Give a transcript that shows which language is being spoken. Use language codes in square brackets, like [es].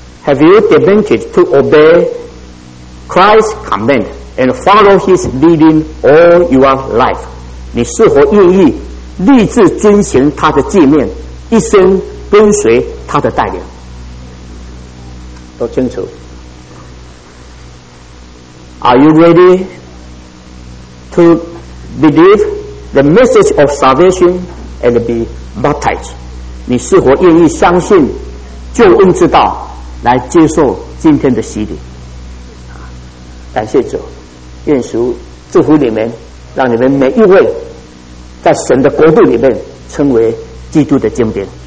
[en] Have you demanded to obey Christ's command and follow his leading all your life? [zh] 你是否愿意立志遵循他的诫命，一生跟随他的带领？都清楚。 [en] Are you ready to believe the message of salvation and be baptized? [zh] 你是否愿意相信救恩之道，来接受今天的洗礼？感谢主，愿主祝福你们，让你们每一位在神的国度里面称为基督的精兵。